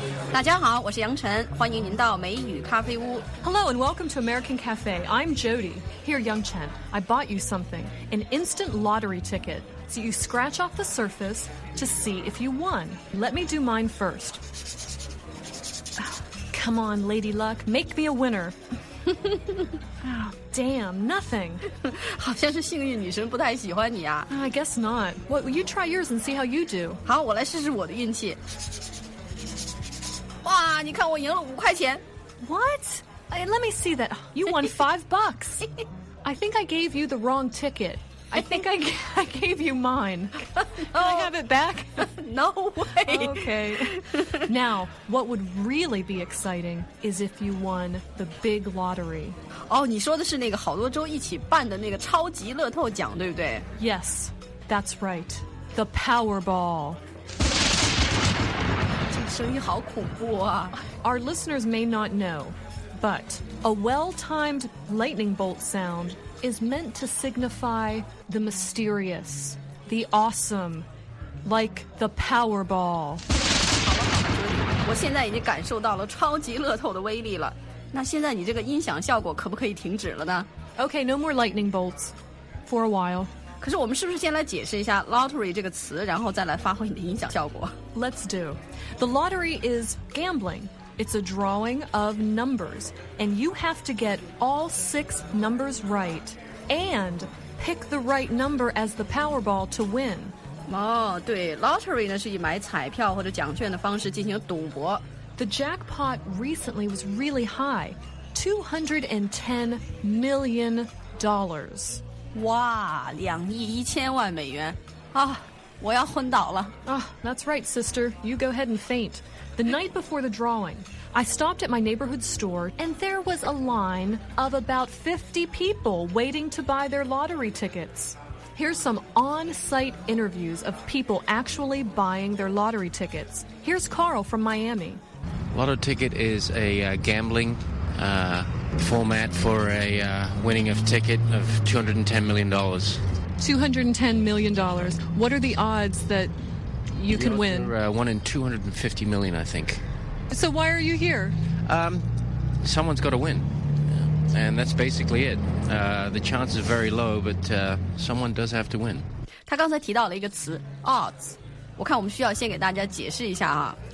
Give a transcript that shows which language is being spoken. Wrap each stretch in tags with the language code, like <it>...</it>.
<zh>大家好，我是杨晨，欢迎您到美语咖啡屋。</zh> <en>Hello and welcome to American Cafe. I'm Jody. Here, Yang Chen, I bought you something, an instant lottery ticket. So you scratch off the surface to see if you won. Let me do mine first. Come on, Lady Luck, make me a winner. Damn, nothing.</en> <zh>好像是幸运女神不太喜欢你啊。</zh> <en>I guess not. Well, you try yours and see how you do.</en> <zh>好，我来试试我的运气。哇，你看我赢了5块钱。</zh> <en>What? Let me see that. You won $5. I think I gave you the wrong ticket. I think I gave you mine. Can I have it back? No way. Okay. Now, what would really be exciting is if you won the big lottery.</en> <zh>你说的是那个好多州一起办的那个超级乐透奖，对不对？</zh> <en>Yes, that's right. The Powerball.</en> <zh>这个声音好恐怖啊。</zh> <en>Our listeners may not know, but a well-timed lightning bolt sound is meant to signify the mysterious, the awesome, like the Powerball.</en> <zh>我现在已经感受到了超级乐透的威力了。那现在你这个音响效果可不可以停止了呢？</zh> <en>Okay, no more lightning bolts for a while.</en> <zh>可是我们是不是先来解释一下 lottery 这个词，然后再来发挥你的音响效果？</zh> <en>Let's do. The lottery is gambling. It's a drawing of numbers, and you have to get all 6 numbers right and pick the right number as the Powerball to win.</en> <zh>对 ,lottery 呢是以买彩票或者奖券的方式进行赌博。</zh> <en>The jackpot recently was really high, $210 million.</en> <zh>哇 ,2亿1000万美元。我要昏倒了。</zh> <en>That's right, sister. You go ahead and faint. The night before the drawing... I stopped at my neighborhood store, and there was a line of about 50 people waiting to buy their lottery tickets. Here's some on-site interviews of people actually buying their lottery tickets. Here's Carl from Miami. Lottery ticket is a gambling format for a winning of ticket of $210 million. $210 million. What are the odds that you can win? One in 250 million, I think. So why are you here? Someone's got to win. And that's basically it. The chance is very low, but someone does have to win.</en> <zh>他刚才提到了一个词 odds. 我看我们需要先给大家解释一下啊。</zh>